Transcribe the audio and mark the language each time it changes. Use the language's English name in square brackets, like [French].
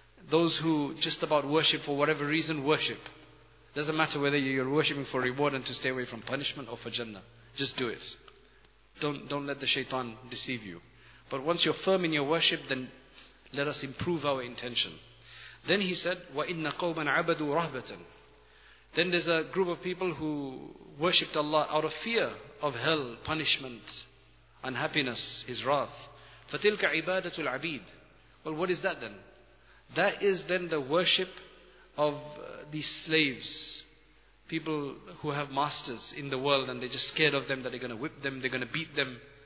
[English] Those who just about worship for whatever reason, worship. Doesn't matter whether you're worshipping for reward and to stay away from punishment or for Jannah. Just do it. Don't let the shaitan deceive you. But once you're firm in your worship, then let us improve our intention. Then he said, [Arabic] وَإِنَّ قَوْمًا عَبَدُوا رَهْبَةً. [English] Then there's a group of people who worshipped Allah out of fear of hell, punishment, unhappiness, His wrath. [Arabic] فَتِلْكَ عِبَادَةُ الْعَبِيدِ. [English] Well, what is that then? That is then the worship of these slaves, people who have masters in the world and they're just scared of them, that they're going to whip them, they're going to beat them.